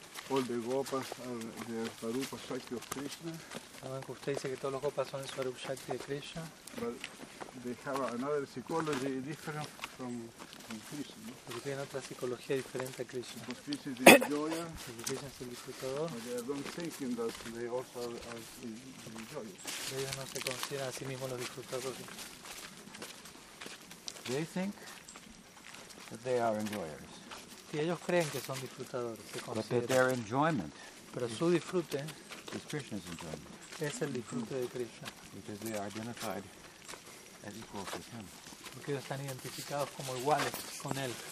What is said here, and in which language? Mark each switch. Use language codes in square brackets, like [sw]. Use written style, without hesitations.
[en] All the gopas are the Swarupa Shakti of Krishna. [es] Saben que usted dice que todos los gopas son el Swarupa Shakti de Krishna. [en] But they have another psychology different from Krishna. [es] Porque tienen otra psicología diferente a Krishna. [en] Because Krishna is the enjoyer. [es] Porque Krishna es el disfrutador. [en] But they don't think that they also are the enjoyers. [es] Ellos no se consideran a sí mismos los disfrutadores. [en] They think that they are enjoyers. [es] Y ellos creen que son disfrutadores, se consideran. [en] But their enjoyment, [es] pero su disfrute [en] is Krishna's enjoyment. [es] Es el disfrute de Krishna. [en] Because they are identified as equal with him. [es] Porque ellos están identificados como iguales con él.